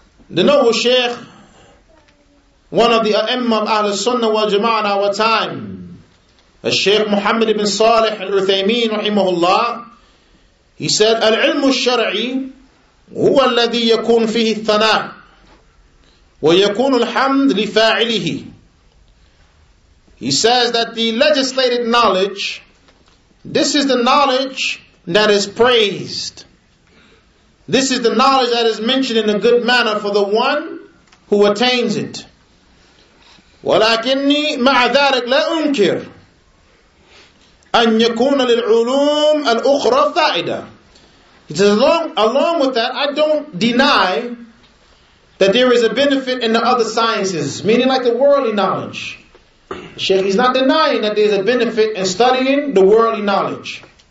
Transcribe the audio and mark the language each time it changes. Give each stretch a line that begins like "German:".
English: The noble Shaykh, one of the A'imma of Ahl al-Sunnah wa Jama'ah in our time, Shaykh Muhammad ibn Salih al-Uthaymeen rahimahullah, he said,
Arabic: العلم الشرعي هو الذي يكون فيه الثناء ويكون الحمد لفاعله.
English: He says that the legislated knowledge, this is the knowledge that is praised. This is the knowledge that is mentioned in a good manner for the one who attains it.
Arabic: ولكني مع ذلك لا أنكر أن يكون للعلوم الأخرى فائدة.
English: He says, along with that, I don't deny that there is a benefit in the other sciences, meaning like the worldly knowledge. Shaykh, he's not denying that there's a benefit in studying the worldly knowledge.